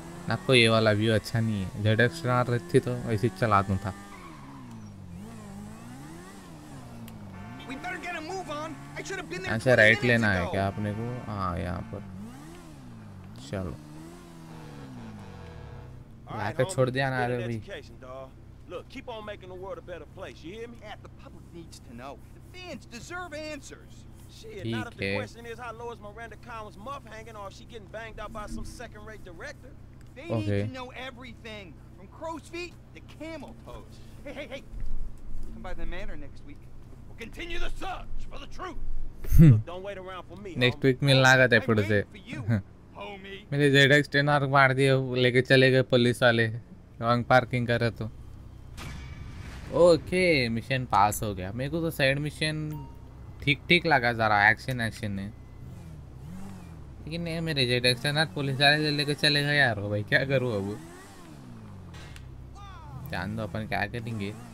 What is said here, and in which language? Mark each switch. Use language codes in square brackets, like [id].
[hi] आपको ये वाला व्यू अच्छा नहीं है, जेड एक्स आ रही थी तो ऐसे चला दूं था। अच्छा राइट लेना है क्या अपने को? हाँ यहाँ पर चलो आकर छोड़ दिया ना रे भाई। [en] Look, keep on making the world a better place, you hear me? Yeah, the public needs to know. The fans deserve answers. Shit, not if the question is how low is Miranda Collins' muff hanging or if she getting banged out by some second-rate director. They okay. need to know everything, from crow's feet to camel toes. Hey. Come by the manor next week. We'll continue the search for the truth. Look, don't wait around for me, next week, I'll be waiting for you, homie. [hi] मेरे ZX 10R मार दिए, लेके चले गए police वाले, wrong parking कर रहे तो। ओके मिशन पास हो गया, मेरे को तो साइड मिशन ठीक ठीक लगा, जरा एक्शन एक्शन है, लेकिन नहीं मेरे जेड एक्शन पुलिस वाले लेके चले गए यार भाई, क्या करूँ अब, जान दो अपन क्या करेंगे।